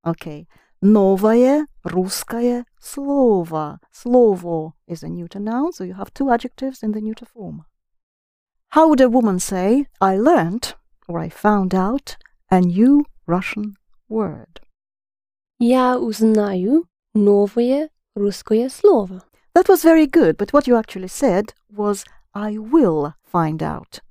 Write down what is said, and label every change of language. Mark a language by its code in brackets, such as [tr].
[en] Okay. [ru] Новое русское слово. [en] Слово is a neuter noun, so you have two adjectives in the neuter form. How would a woman say, I learned, or I found out, a new Russian word? [ru] Я узнаю новое русское слово. [en] That was very good, but what you actually said was, I will find out.